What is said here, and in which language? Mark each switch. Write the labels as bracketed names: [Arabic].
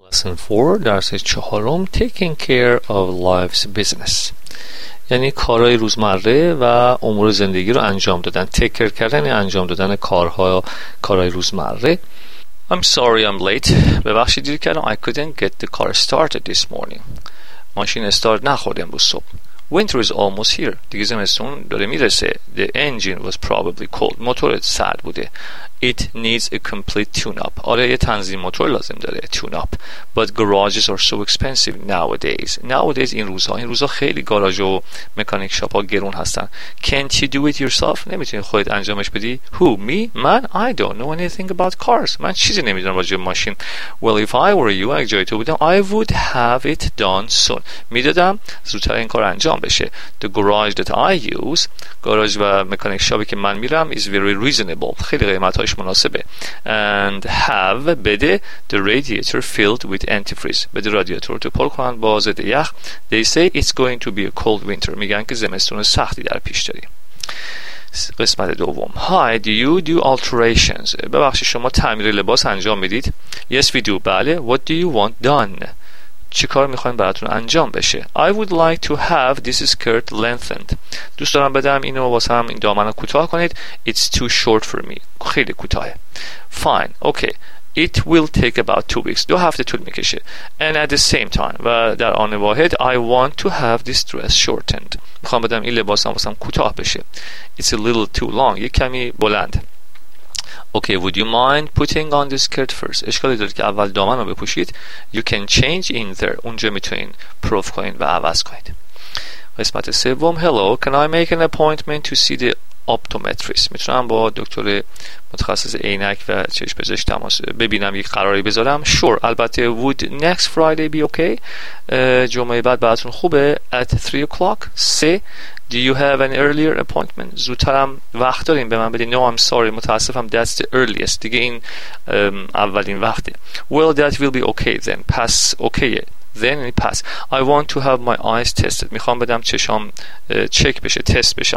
[Persian] لکسن 4 درس 4 تیکینگ کیر اف لایفز بیزنس، یعنی کارهای روزمره و امور زندگی رو انجام دادن، تیکر کردن یعنی انجام دادن کارها، کارهای روزمره. [English] I'm sorry I'm late. [Persian] ببخشید دیر کردم. [English] I couldn't get the car started this morning. [Persian] ماشین استارت نخورد امروز صبح. [English] Winter is almost here. [Persian] دیگه زمستون داره میرسه. [English] The engine was probably cold. [Persian] موتور سرد بوده. [English] It needs a complete tune-up. [Persian] آره یه تنظیم موتور لازم داره. [English] Tune-up. But garages are so expensive nowadays. [Persian] Nowadays این روزها خیلی گاراژ و مکانیک شاپ ها گرون هستن. [English] Can't you do it yourself? [Persian] نمیتونی خودت انجامش بدی؟ Who? [English] Me? Man? I don't know anything about cars. [Persian] من چیزی نمیدونم راجع به ماشین. [English] Well, if I were you, [Persian] اگه جای تو بودم, [English] I would have it done soon. [Persian] میدادم زودتر این کار انجام بشه. [English] The garage that I use, [Persian] گاراژ و مکانیک شاپی که من میرم, [English] is very reasonable. [Persian] خیلی قیمت تاش مناسبه. [English] And have بده the radiator filled with antifreeze. [Persian] بده رادیاتور تو پر کن با ضد یخ. [English] They say it's going to be a cold winter. [Persian] میگن که زمستون سختی در پیش داریم. قسمت دوم. [English] Hi, do you do alterations? [Persian] ببخشید شما تعمیر لباس انجام میدید؟ [English] Yes, we do. بله. What do you want done? [Persian] چی کار میخواییم براتون انجام بشه؟ [English] I would like to have this skirt lengthened. [Persian] دوست دارم بدم اینو واسه هم این دامن رو کوتاه کنید. [English] It's too short for me. [Persian] خیلی کوتاهه. [English] Fine. Okay. It will take about 2 weeks. [Persian] دو هفته طول میکشه. [English] And at the same time. [Persian] و در آن واحد [English] I want to have this dress shortened. [Persian] میخواییم بدم این لباس هم واسه هم کوتاه بشه. [English] It's a little too long. [Persian] یک کمی بلند. [English] Okay, would you mind putting on the skirt first? [Persian] اشکالی دارید که اول دامن رو بپوشید. [English] You can change in there. [Persian] اونجا میتونین پروف کنین و عوض کنید. قسمت سوم. [English] Hello, can I make an appointment to see the optometrist? [Persian] میتونم با دکتر متخصص عینک و چشم پزشک تماس ببینم یک قراری بذارم؟ Sure, البته. [English] Would next Friday be okay? [Persian] جمعه بعد براتون خوبه؟ [English] At 3 o'clock? 3. Do you have an earlier appointment? [Persian] زودترم وقت داریم به من بدی؟ [English] No, I'm sorry. [Persian] متاسفم. [English] That's the earliest. [Persian] دیگه این اولین وقته. [English] Well, that will be okay then. [Persian] پس اوکیه. [English] Then it pass. I want to have my eyes tested. [Persian] میخوام بدم چشام چک بشه، تست بشه.